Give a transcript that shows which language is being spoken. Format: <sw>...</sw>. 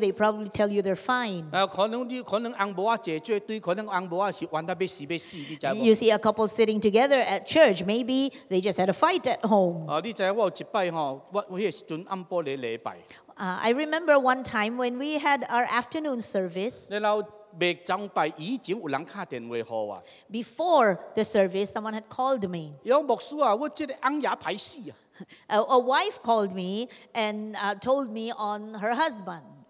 <en>They probably tell you they're fine. You see a couple sitting together at church, maybe they just had a fight at home.</en> <nan>你知我有一摆吼，我迄个时阵暗晡咧礼拜。</nan> <en>I remember one time when we had our afternoon service.</en> <nan>然后未上拜以前，有人打电话给我。</nan> <en>Before the service, someone had called me.</en> <nan>有牧师啊，我这个翁也歹死啊。</nan> <en>A wife called me and told me on her husband.</en>